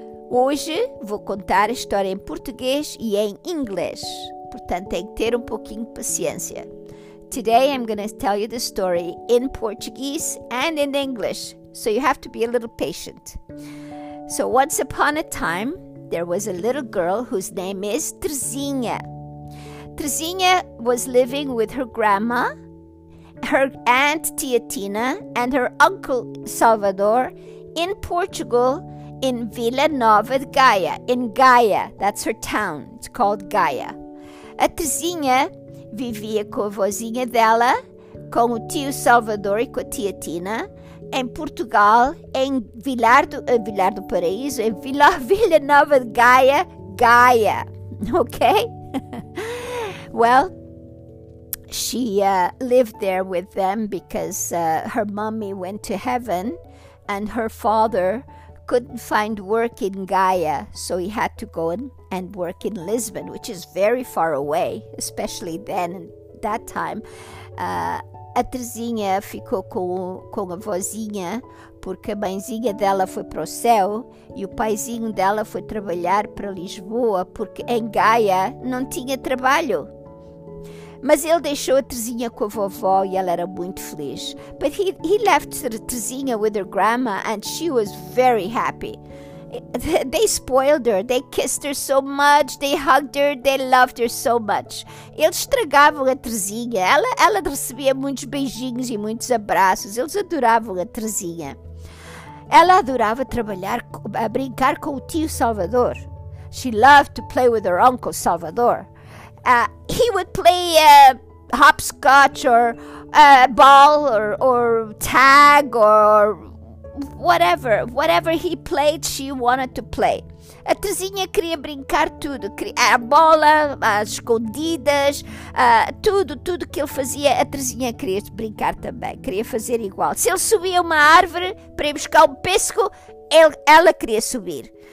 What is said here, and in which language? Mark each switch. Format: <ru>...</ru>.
<pt>Hoje vou contar a história em português e em inglês. Portanto, tem que ter um pouquinho de paciência.</pt> <en>Today I'm going to tell you the story in Portuguese and in English, so you have to be a little patient. So once upon a time, there was a little girl whose name is Terezinha. Terezinha was living with her grandma, her aunt Tia Tina, and her uncle Salvador in Portugal in Vila Nova de Gaia, in Gaia. That's her town. It's called Gaia.</en> <pt>A Terezinha vivia com a vozinha dela, com o tio Salvador e com a tia Tina, em Portugal, em Vila Nova de Gaia, Gaia.</pt> <en>Okay? Well, she lived there with them because her mommy went to heaven and her father couldn't find work in Gaia, so he had to go and work in Lisbon, which is very far away, especially then, at that time.</en> <pt>A Terezinha ficou com a vozinha, porque a mãezinha dela foi para o céu e o paizinho dela foi trabalhar para Lisboa, porque em Gaia não tinha trabalho. Mas ele deixou a Terezinha com a vovó e ela era muito feliz.</pt> <en>But he left Terezinha with her grandma and she was very happy. They spoiled her. They kissed her so much. They hugged her. They loved her so much.</en> <pt>Eles estragavam a Terezinha. Ela recebia muitos beijinhos e muitos abraços. Eles adoravam a Terezinha. Ela adorava trabalhar, a brincar com o tio Salvador.</pt> <en>She loved to play with her uncle Salvador. He would play hopscotch or ball or tag or whatever. Whatever he played, she wanted to play.</en> <pt>A Terezinha queria brincar tudo. A bola, as escondidas, tudo que ele fazia, a Terezinha queria brincar também. Queria fazer igual. Se ele subia uma árvore para ir buscar um pêssego, ela queria subir.</pt>